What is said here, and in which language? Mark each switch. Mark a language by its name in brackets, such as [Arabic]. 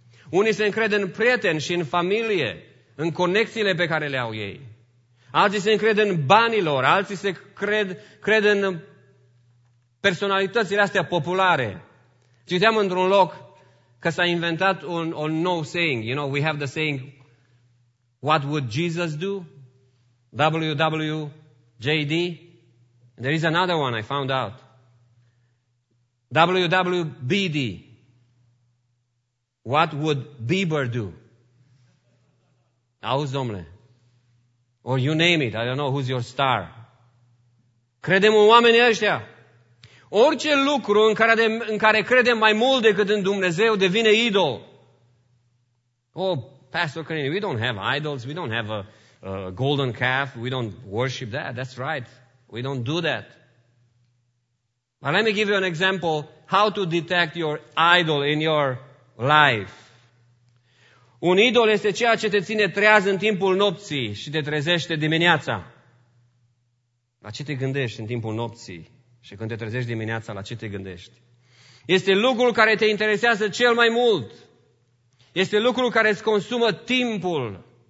[Romanian] Unii se încred în prieteni și în familie, în conexiile pe care le au ei. Alții se încred în banilor, alții se cred în personalitățile astea populare. Citeam într-un loc că s-a inventat un nou saying. [English] You know, we have the saying, what would Jesus do? WWJD. There is another one I found out. WWBD. What would Bieber do? [Romanian] Auzi, domnule. [English] Or you name it, I don't know who's your star. [Romanian] Credem în oamenii ăștia. Orice lucru în care credem mai mult decât în Dumnezeu devine idol. [English] Oh, Pastor Corinne, we don't have idols, we don't have a golden calf, we don't worship that, that's right. We don't do that. But let me give you an example how to detect your idol in your life. [Romanian] Un idol este ceea ce te ține treaz în timpul nopții și te trezește dimineața. La ce te gândești în timpul nopții? Și când te trezești dimineața, la ce te gândești? Este lucrul care te interesează cel mai mult. Este lucrul care îți consumă timpul.